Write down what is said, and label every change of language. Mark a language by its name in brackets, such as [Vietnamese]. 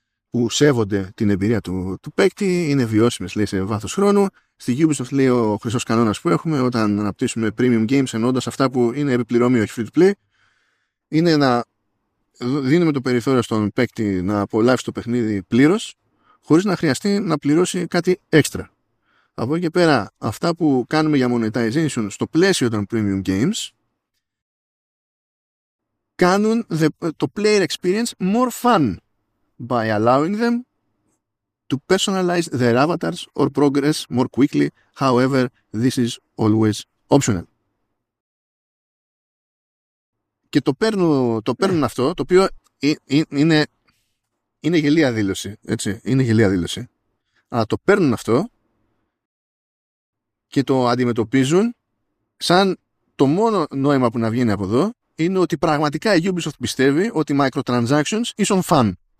[Greek] που σέβονται την εμπειρία του παίκτη, είναι βιώσιμες, λέει, σε βάθος χρόνου. Στη Ubisoft, λέει, ο χρυσός κανόνας που έχουμε όταν αναπτύσσουμε premium games, ενώντας αυτά που είναι επιπληρωμή, όχι free to play, είναι να δίνουμε το περιθώριο στον παίκτη να απολαύσει το παιχνίδι πλήρως, χωρίς να χρειαστεί να πληρώσει κάτι έξτρα. [English] Από εκεί και πέρα, αυτά που κάνουμε για monetization στο πλαίσιο των premium games κάνουν το player experience more fun by allowing them to personalize their avatars or progress more quickly. However, this is always optional. [Greek] Και το παίρνουν αυτό, το οποίο είναι γελία δήλωση, έτσι, είναι γελία δήλωση. Αλλά το παίρνουν αυτό και το αντιμετωπίζουν σαν το μόνο νόημα που να βγαίνει από εδώ είναι ότι πραγματικά η Ubisoft πιστεύει ότι microtransactions ίσον fun.